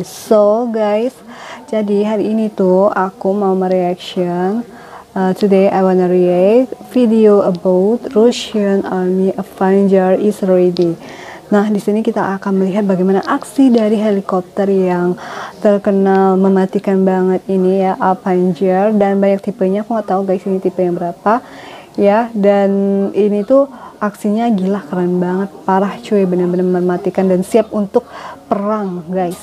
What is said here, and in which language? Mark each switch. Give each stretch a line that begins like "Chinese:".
Indonesian: So guys, jadi hari ini tuh aku mau mereaction.
English: Today I wanna react video about Russian Army Avenger is ready.
Indonesian: Nah, di sini kita akan melihat bagaimana aksi dari helikopter yang terkenal mematikan banget ini ya, Avenger, dan banyak tipenya. Aku nggak tahu guys ini tipe yang berapa ya, dan ini tuh aksinya gila keren banget, parah cuy, benar-benar mematikan dan siap untuk perang guys.